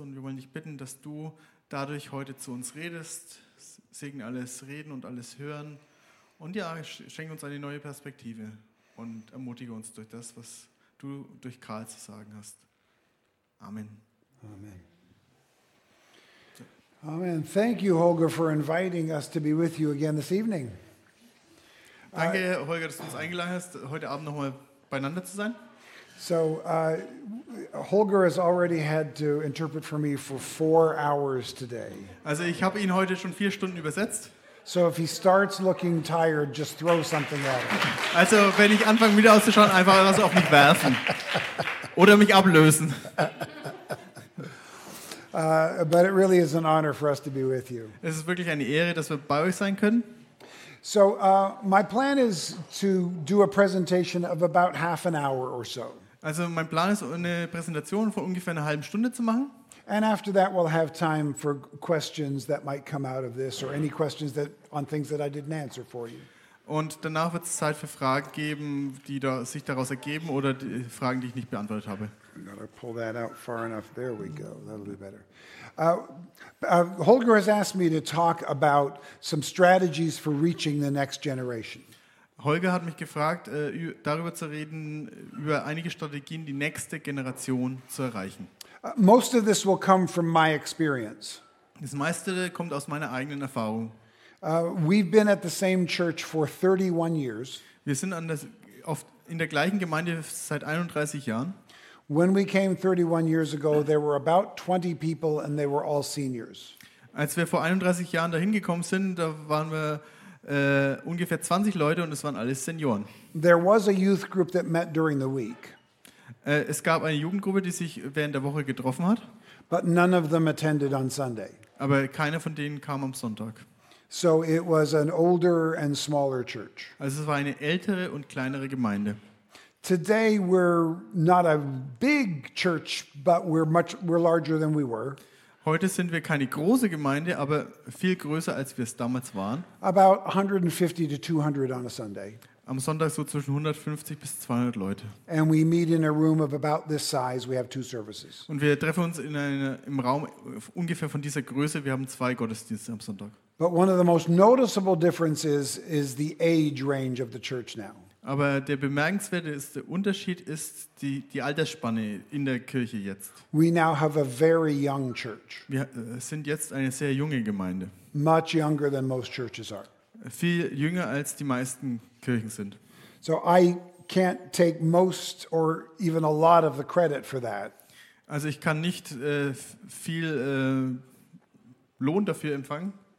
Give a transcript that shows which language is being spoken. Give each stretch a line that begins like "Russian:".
German: Und wir wollen dich bitten, dass du dadurch heute zu uns redest. Segne alles Reden und alles Hören. Und ja, schenke uns eine neue Perspektive und ermutige uns durch das, was du durch Karl zu sagen hast. Amen. Amen. Amen.
English: Thank you, Holger, for inviting us to be with you again this evening.
German: Danke, Holger, dass du uns eingeladen hast, heute Abend nochmal beieinander zu sein.
English: So, Holger has already had to interpret for me for 4 hours today.
German: Also, ich habe ihn heute schon 4 Stunden übersetzt.
English: So, if he starts looking tired, just throw something at him.
German: Also, wenn ich anfange, müde auszuschauen, einfach was auf mich werfen oder mich ablösen.
English: But it really is an honor for us to be with you.
German: Es ist wirklich eine Ehre, dass wir bei euch sein können.
English: So my plan is to do a presentation of about half an hour or so.
German: Also mein Plan ist eine Präsentation von ungefähr einer halben Stunde zu machen.
English: And after that we'll have time for questions that might come out of this or any questions that on things that I didn't answer for you.
German: Und danach wird es Zeit für Fragen geben, die da sich daraus ergeben oder die Fragen, die ich nicht beantwortet habe.
English: I'm gonna pull that out far enough. There we go. That'll be better. Holger has asked me to talk about some strategies for reaching the next generation.
German: Holger hat mich gefragt, darüber zu reden, über einige Strategien, die nächste Generation zu erreichen.
English: Most of this will come from my experience.
German: Das meiste kommt aus meiner eigenen Erfahrung.
English: We've been at the same church for 31 years.
German: Wir sind in der gleichen Gemeinde seit 31 Jahren.
English: When we came 31 years ago, there were about 20 people and they were all seniors.
German: Als wir vor 31 Jahren dahin gekommen sind, da waren wir ungefähr 20 Leute und es waren alles Senioren.
English: There was a youth group that met during the week.
German: Es gab eine Jugendgruppe, die sich während der Woche getroffen hat.
English: But none of them attended on Sunday.
German: Aber keiner von denen kam am Sonntag.
English: So it was an older and smaller church.
German: Also es war eine ältere und kleinere Gemeinde.
English: Today we're not a big church, but we're larger than we were.
German: Heute sind wir keine große Gemeinde, aber viel größer als wir es damals waren.
English: About 150 to 200 on a Sunday.
German: Am Sonntag so zwischen 150 bis 200 Leute.
English: And we meet in a room of about this size. We have 2 services.
German: Und wir treffen uns im Raum ungefähr von dieser Größe. Wir haben 2 Gottesdienste am Sonntag.
English: But one of the most noticeable differences is the age range of the church now.
German: Aber der bemerkenswerteste Unterschied ist die Altersspanne in der Kirche jetzt.
English: We now have a very young church.
German: Wir sind jetzt eine sehr junge Gemeinde.
English: Much younger than most churches are.
German: Viel jünger als die meisten Kirchen sind.
English: So I can't take most or even a lot of the credit for that.
German: Also ich kann nicht viel Lohn dafür empfangen.